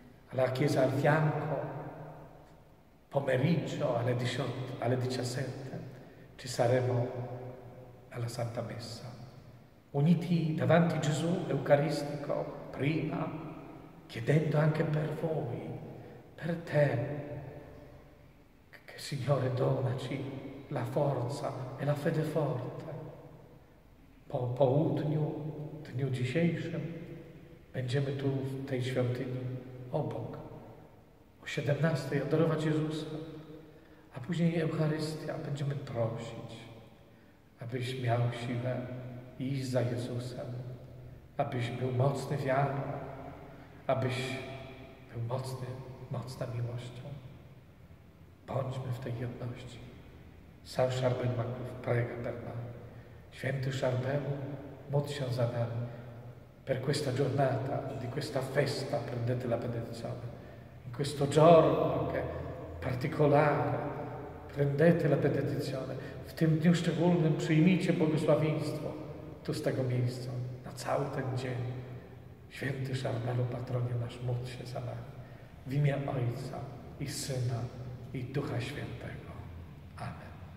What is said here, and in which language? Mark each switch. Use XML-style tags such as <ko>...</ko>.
<it>Alla chiesa al fianco, pomeriggio alle 18, alle 17, ci saremo alla Santa Messa. Uniti davanti a Gesù Eucaristico, prima, chiedendo anche per voi, per te, che Signore donaci la forza e la fede forte.</it> <pl>Po dniu dzisiejszym będziemy tu w tej świątyni obok. O 17 adorować Jezusa, a później Eucharystia. Będziemy prosić, abyś miał siłę iść za Jezusem, abyś był mocny wiarą, abyś był mocna miłością. Bądźmy w tej jedności.</pl> <it>San Charbel Maclouf, prega per me.</it> <pl>Święty Charbelu, módl się za nami.</pl> <it>Per questa giornata, di questa festa, prendete la benedizione. In questo giorno che è particolare, prendete la benedizione.</it> <pl>W tym dniu szczególnym przyjmijcie błogosławieństwo tu z tego miejsca, na cały ten dzień. Święty Charbelu, patronie nasz, módl się za nami. W imię Ojca i Syna i Ducha Świętego. Amen.</pl>